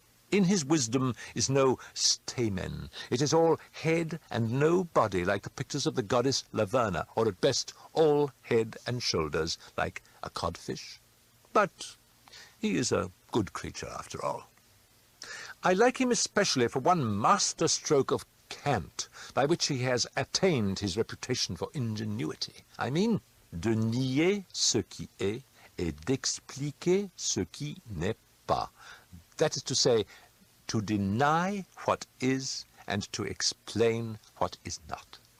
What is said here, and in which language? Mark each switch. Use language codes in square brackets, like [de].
[en] In his wisdom is no stamen. It is all head and no body, like the pictures of the goddess Laverna, or at best all head and shoulders, like a codfish. But he is a good creature after all. I like him especially for one master stroke of cant, by which he has attained his reputation for ingenuity. I mean, [fr] de nier ce qui est et d'expliquer ce qui n'est pas. [en] That is to say, to deny what is and to explain what is not.